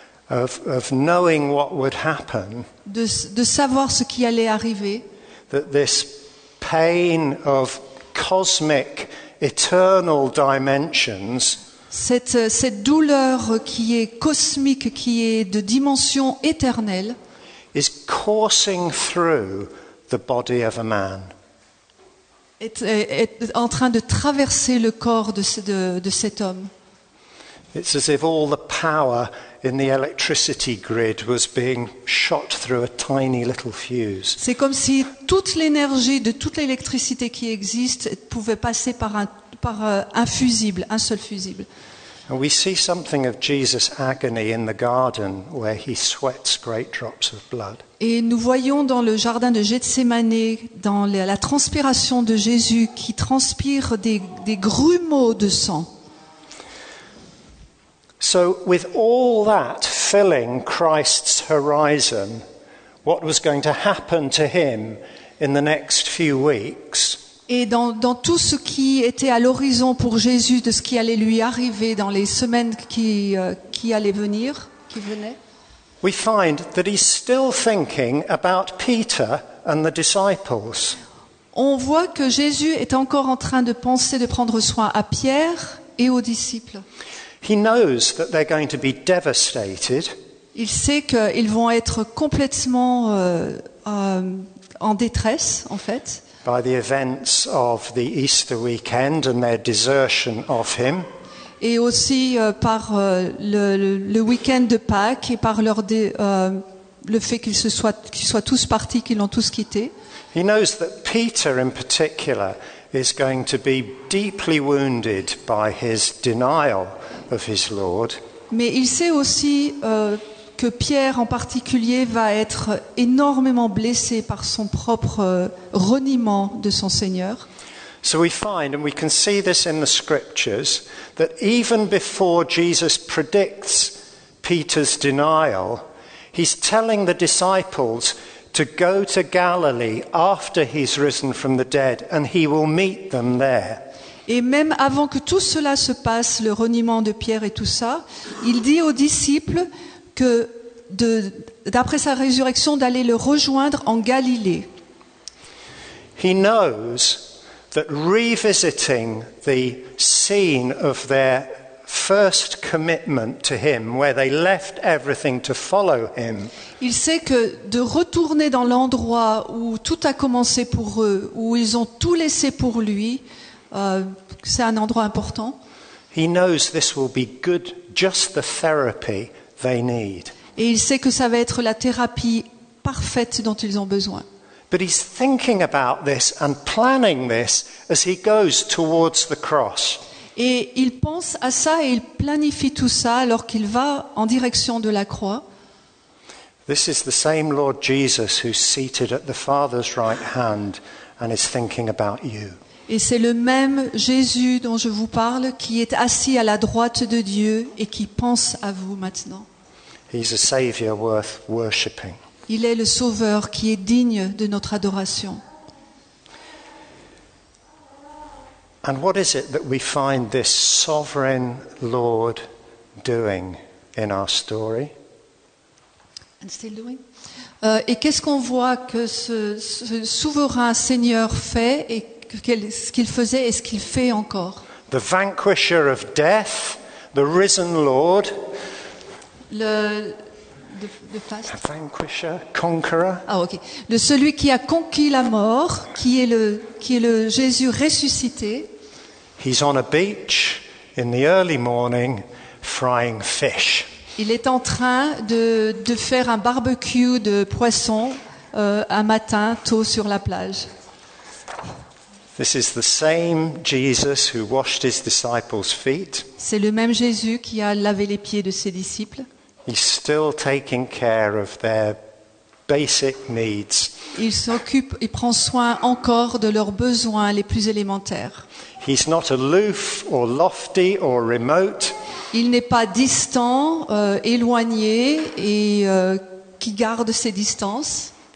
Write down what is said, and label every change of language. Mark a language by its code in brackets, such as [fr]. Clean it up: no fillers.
[en] of knowing what would happen, [fr] de savoir ce qui allait arriver, [en] that this pain of cosmic eternal dimensions, [fr] cette douleur qui est cosmique, qui est de dimension éternelle, [en] is coursing through the body of a man, [fr] est en train de traverser le corps de cet homme. [en] It's as if all the power in the electricity grid was being shot through a tiny little fuse. [fr] C'est comme si toute l'énergie de toute l'électricité qui existe pouvait passer par un fusible, un seul fusible. [en] And we see something of Jesus' agony in the garden where he sweats great drops of blood. [fr] Et nous voyons dans le jardin de Gethsémané, dans la transpiration de Jésus qui transpire des grumeaux de sang. [en] So with all that filling Christ's horizon, what was going to happen to him in the next few weeks? [fr] Et dans tout ce qui était à l'horizon pour Jésus de ce qui allait lui arriver dans les semaines qui allaient venir, qui venaient. [en] We find that he's still thinking about Peter and the disciples. [fr] On voit que Jésus est encore en train de penser de prendre soin à Pierre et aux disciples. [en] He knows that they're going to be devastated. [fr] Il sait qu'ils vont être complètement en détresse, en fait. [en] By the events of the Easter weekend and their desertion of him. [fr] Et aussi par le week-end de Pâques et par le fait qu'ils soient tous partis, qu'ils l'ont tous quitté. [en] He knows that Peter, in particular, is going to be deeply wounded by his denial of his Lord. [fr] Mais il sait aussi que Pierre en particulier va être énormément blessé par son propre reniement de son Seigneur. [en] So we find, and we can see this in the scriptures, that even before Jesus predicts Peter's denial, he's telling the disciples to go to Galilee after he's risen from the dead, and he will meet them there. [fr] Et même avant que tout cela se passe, le reniement de Pierre et tout ça, il dit aux disciples que d'après sa résurrection, d'aller le rejoindre en Galilée. [en] He knows that revisiting the scene of their first commitment to him, where they left everything to follow him. [fr] Il sait que de retourner dans l'endroit où tout a commencé pour eux, où ils ont tout laissé pour lui, c'est un endroit important. [en] He knows this will be good, just the therapy they need. [fr] Et il sait que ça va être la thérapie parfaite dont ils ont besoin. [en] But he's thinking about this and planning this as he goes towards the cross. [fr] Et il pense à ça et il planifie tout ça alors qu'il va en direction de la croix. [en] This is the same Lord Jesus who's seated at the Father's right hand and is thinking about you. [fr] Et c'est le même Jésus dont je vous parle qui est assis à la droite de Dieu et qui pense à vous maintenant. [en] He's a savior worth worshiping. [fr] Il est le sauveur qui est digne de notre adoration. [en] And what is it that we find this sovereign Lord doing in our story? And still doing? [fr] Et qu'est-ce qu'on voit que ce souverain Seigneur fait et ce qu'il faisait et ce qu'il fait encore? [en] The vanquisher of death, the risen Lord. Conqueror. [fr] Ah, ok. Le celui qui a conquis la mort, qui est le Jésus ressuscité. [en] He's on a beach in the early morning, frying fish. [fr] Il est en train de faire un barbecue de poisson un matin tôt sur la plage. [en] This is the same Jesus who washed his disciples' feet. [fr] C'est le même Jésus qui a lavé les pieds de ses disciples. [en] He's still taking care of their basic needs. [fr] Il s'occupe et prend soin encore de leurs besoins les plus élémentaires. [en] He's not aloof or lofty or remote. [fr] Il n'est pas distant, éloigné et qui garde ses distances.